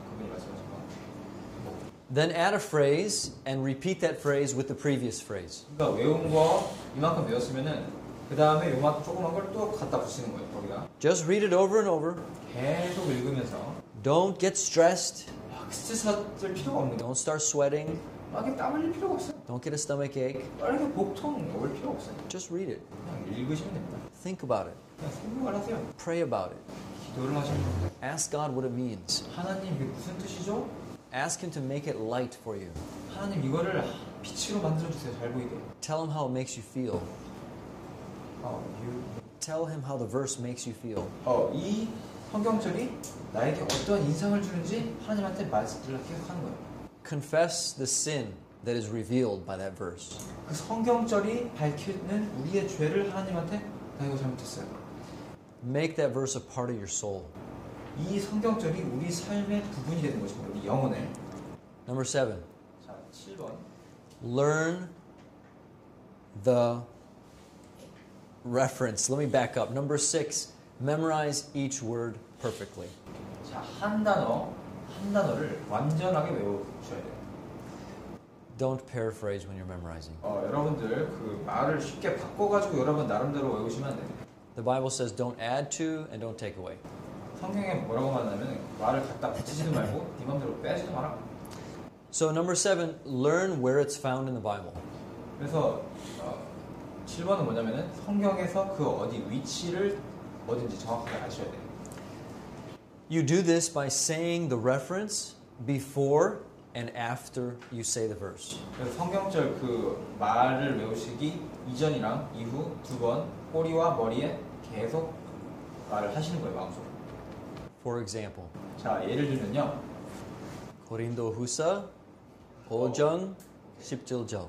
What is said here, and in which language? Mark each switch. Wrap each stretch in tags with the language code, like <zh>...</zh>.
<ko>그분이 말씀하신 거.</ko> <en>Then add a phrase and repeat that phrase with the previous phrase.</en> <ko>그러니까 외운 거 이만큼 배웠으면은 그 다음에 요만큼 조그만 걸 또 갖다 붙이는 거예요, 거기다.</ko> <en>Just read it over and over.</en> <ko>계속 읽으면서.</ko> <en>Don't get stressed.</en> <ko>스트레스할 필요가 없는 거예요.</ko> <en>Don't start sweating.</en> <ko>막 이렇게 땀 흘릴 필요가 없어요.</ko> <en>Don't get a stomach ache.</en> <ko>이렇게 복통 올 필요 없어요.</ko> <en>Just read it.</en> <ko>그냥 읽으시면 됩니다.</ko> <en>Think about it.</en> <ko>그냥 생각을 하세요.</ko> <en>Pray about it.</en> <ko>기도를 하시면 됩니다.</ko> <en>Ask God what it means.</en> <ko>하나님 이게 무슨 뜻이죠?</ko> <en>Ask Him to make it light for you.</en> <ko>하나님 이거를 빛으로 만들어주세요. 잘 보이게.</ko> <en>Tell Him how it makes you feel. Tell Him how the verse makes you feel.</en> <ko>이 성경절이 나에게 어떤 인상을 주는지 하나님한테 말씀을 계속 하는 거예요.</ko> <en>Confess the sin that is revealed by that verse.</en> <ko>그 성경절이 밝히는 우리의 죄를 하나님한테 나 이거 잘못했어요.</ko> <en>Make that verse a part of your soul.</en> <ko>이 성경절이 우리 삶의 부분이 되는 것입니다. 우리 영혼에.</ko> <en>Number 7.</en> <ko>자, 7번.</ko> <en>Learn the reference. Let me back up. Number 6. Memorize each word perfectly.</en> <ko>자, 한 단어를 완전하게 외우셔야 돼요.</ko> <en>Don't paraphrase when you're memorizing.</en> <ko>여러분들 그 말을 쉽게 바꿔가지고 여러분 나름대로 외우시면 안 돼요.</ko> <en>The Bible says don't add to and don't take away.</en> <ko>성경에 뭐라고 말하냐면 말을 갖다 붙이지도 말고 네 맘대로 빼지도 마라.</ko> <en>So number 7, learn where it's found in the Bible.</en> <ko>그래서 7번은 뭐냐면은 성경에서 그 어디 위치를 뭐든지 정확하게 아셔야 돼요.</ko> <en>You do this by saying the reference before and after you say the verse.</en> <ko>성경절 그 말을 외우시기 이전이랑 이후 두 번 꼬리와 머리에 계속 말을 하시는 거예요, 마음속으로.</ko> <en>For example.</en> <ko>자, 예를 들면요. 고린도 후서 5장 17절.</ko>